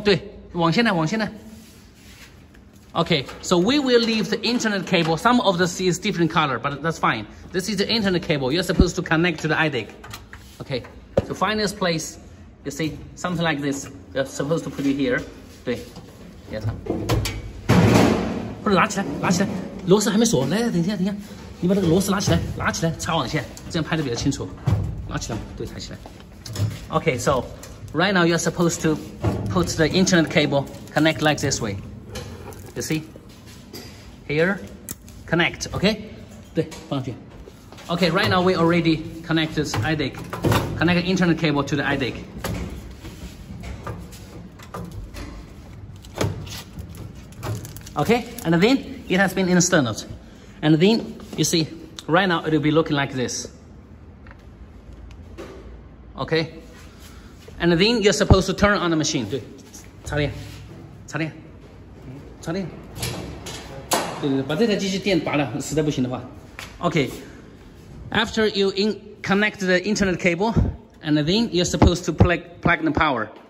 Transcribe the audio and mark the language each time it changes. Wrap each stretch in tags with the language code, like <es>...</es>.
<zh>对,往现在,往现在.</zh> <en>Okay, so we will leave the internet cable. Some of this is different color, but that's fine. This is the internet cable. You're supposed to connect to the IDEC. Okay, so find this place. You see, something like this, you're supposed to put it here.</en> <zh>对, yes. 不是,拿起来,拿起来, 螺丝还没锁, 来,等一下,等一下, 你把这个螺丝拿起来,拿起来, 插网线, 这样拍得比较清楚, 拿起来, 对, 抬起来。</zh> <en>Okay, so right now you're supposed to put the internet cable, connect like this way. You see, here, connect, okay?</en> <zh>对, 放上去。</zh> <en>Okay, right now we already connect this IDEC, connect the internet cable to the IDEC. Okay, and then it has been installed. And then, you see, right now it will be looking like this. Okay? And then you're supposed to turn on the machine.</en> <zh>对, 插电, 插电, 插电. 对, 对, 把这台机器电拔了, 实在不行的话.</zh> <en>Okay, after you connect the internet cable, and then you're supposed to plug the power.</en>